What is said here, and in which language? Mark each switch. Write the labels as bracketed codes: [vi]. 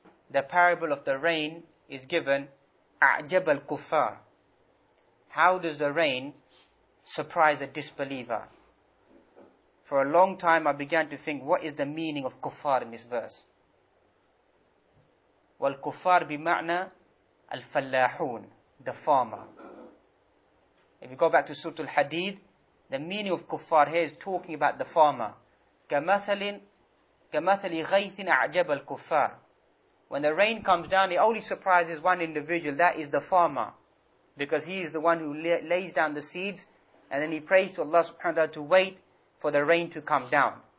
[en] The parable of the rain is given, [ar] أَعْجَبَ الْكُفَّارِ. [en] How does the rain surprise a disbeliever? For a long time I began to think, what is the meaning of kuffar in this verse? [ar] وَالْكُفَّارِ بِمَعْنَى الْفَلَّاحُونَ, [en] the farmer. If you go back to Surah Al-Hadid, the meaning of kuffar here is talking about the farmer. [ar] كَمَثَلِ غَيْثٍ أَعْجَبَ الْكُفَّارِ. [en] When the rain comes down, it only surprises one individual, that is the farmer. Because he is the one who lays down the seeds, and then he prays to Allah subhanahu wa ta'ala to wait for the rain to come down.